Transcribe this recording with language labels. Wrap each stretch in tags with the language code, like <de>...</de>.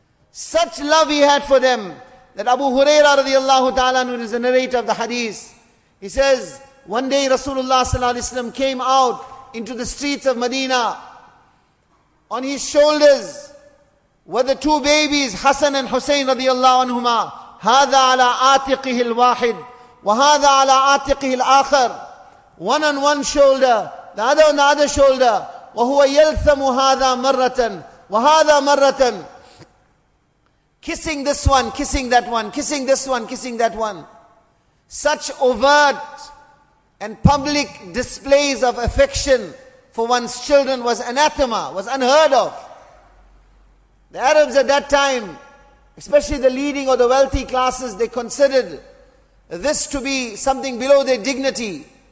<en>Such love he had for them, that Abu Hurairah radiallahu ta'ala, who is the narrator of the hadith, he says, one day Rasulullah Sallallahu Alaihi Wasallam came out into the streets of Medina. On his shoulders were the two babies, Hassan and Hussein radiallahu anhuma.</en> <ar>هذا على آتقه الواحد وهذا على آتقه الآخر.</ar> <en>One on one shoulder, the other on the other shoulder.</en> <ar>وهو يلثم هذا مرة وهذا مرة.</ar> <en>Kissing this one, kissing that one, kissing this one, kissing that one. Such overt and public displays of affection for one's children was anathema, was unheard of. The Arabs at that time, especially the leading or the wealthy classes, they considered this to be something below their dignity.</en>